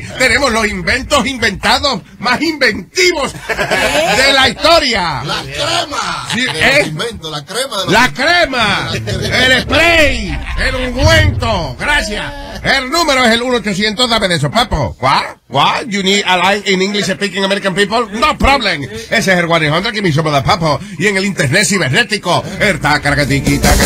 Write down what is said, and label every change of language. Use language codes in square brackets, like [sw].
[es] Tenemos los inventos inventados más inventivos de la historia. La crema, el spray, el ungüento. Gracias. El número es el 1-800, dame de eso, Papo. [en] What? You need a line in English speaking American people? No problem. [es] Ese es el 1-800 que me hizo de Papo. Y en el internet cibernético, el tacaracatiqui.